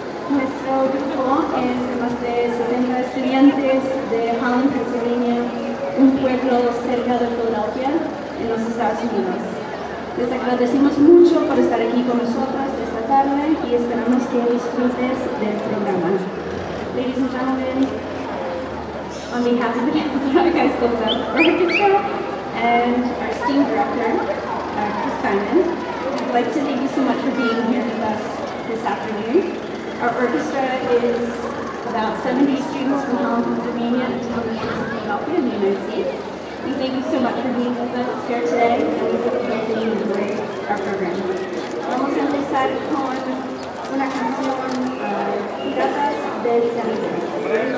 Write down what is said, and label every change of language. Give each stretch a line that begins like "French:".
Spanish: Nuestro grupo es de más de 70 estudiantes de Holland, Pennsylvania, un pueblo cerca de Philadelphia, en los Estados Unidos. Les agradecemos mucho por estar aquí con nosotras esta tarde y esperamos que disfrutes del programa.
English: Ladies and gentlemen, on behalf of the Orchestra and our esteemed director, Chris Simon, I'd like to thank you so much for being here with us this afternoon. Our orchestra is about 70 students from Holland, Pennsylvania, and from Philadelphia in the United States. We thank you so much for being with us here today, and we hope you really enjoy our program.
Spanish: Vamos a empezar con una canción piratas de